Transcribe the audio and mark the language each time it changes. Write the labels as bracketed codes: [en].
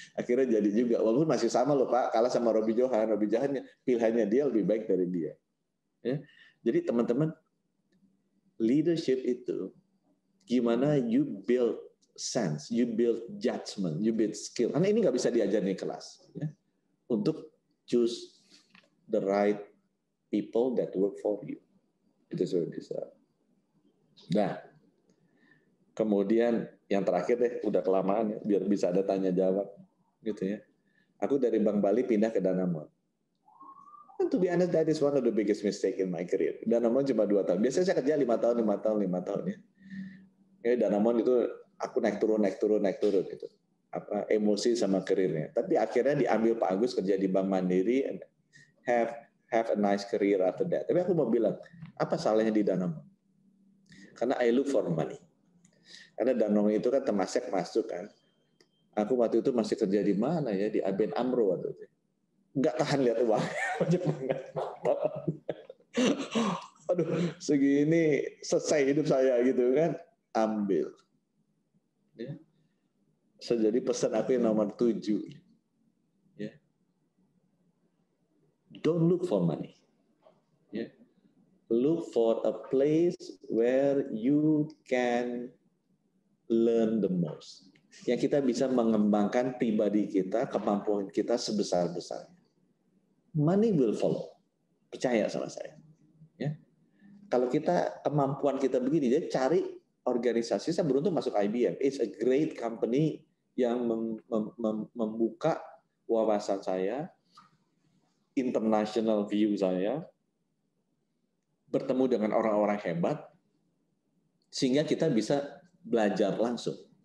[id] Akhirnya jadi juga, walaupun masih sama loh Pak, kalah sama Robi Johan. Robi Johan pilihannya dia lebih baik dari dia. Ya. Jadi teman-teman, leadership itu gimana [en] you build sense, you build judgment, you build skill. [id] Karena ini nggak bisa diajar di kelas. Ya. Untuk [en] choose the right people that work for you. [id] Itu sudah bisa. Nah, kemudian yang terakhir deh, udah kelamaan ya, biar bisa ada tanya-jawab. Gitu ya. Aku dari Bank Bali pindah ke Danamon. [en] And to be honest, that is one of the biggest mistake in my career. [id] Danamon cuma 2 tahun. Biasanya saya kerja 5 tahun ya. Ya Danamon itu aku naik turun gitu. Apa emosi sama karirnya. Tapi akhirnya diambil Pak Agus kerja di Bank Mandiri [en] and have a nice career after that. [id] Tapi aku mau bilang, apa salahnya di Danamon? Karena [en] I look for money. [id] Karena Danamon itu kan termasuk masuk kan. Aku waktu itu masih kerja di mana ya, di ABN AMRO waktu itu. Enggak tahan lihat uang. Banyak banget. Aduh, segini selesai hidup saya gitu kan. Ambil. Ya. So, jadi pesan aku yang nomor 7. Ya. [en] Don't look for money. Ya. Look for a place where you can learn the most. [id] Yang kita bisa mengembangkan pribadi kita, kemampuan kita sebesar-besarnya. [en] Money will follow. [id] Percaya sama saya. Ya. Kalau kita kemampuan kita begini, jadi cari organisasi, saya beruntung masuk IBM. [en] It's a great company [id] yang membuka wawasan saya, international view saya, bertemu dengan orang-orang hebat, sehingga kita bisa belajar langsung.